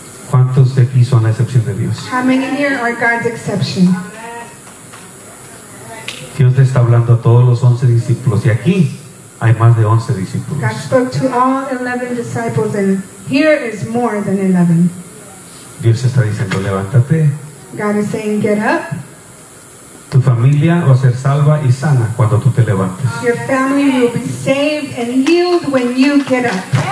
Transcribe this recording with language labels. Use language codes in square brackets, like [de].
[es] ¿Cuántos de aquí son la excepción de Dios? [en] How many here are God's exception? [es] Dios le está hablando a todos los 11 discípulos y aquí hay más de 11 discípulos. [en] God spoke to all 11 disciples and here is more than 11. [es] Dios está diciendo, levántate. [en] God is saying, get up. [es] Tu familia va a ser salva y sana cuando tú te levantes. [en] Your family will be saved and healed when you get up.